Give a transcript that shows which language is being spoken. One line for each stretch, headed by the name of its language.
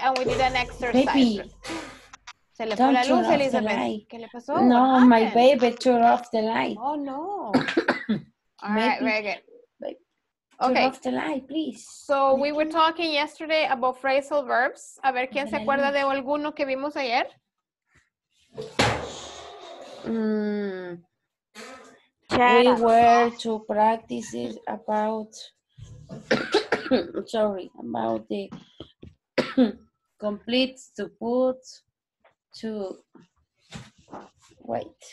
English: And we did an exercise. Baby,
Spanish: se le fue la luz, Elizabeth. ¿Qué le pasó?
English: No, my baby turned off the light. Oh, no. All right, very good. Okay. Turn off the light, please. So we were talking yesterday about phrasal verbs.
Spanish: A ver, ¿quién se acuerda de alguno que vimos ayer?
English: We were to practice it about, sorry, about the complete, to put, to, wait.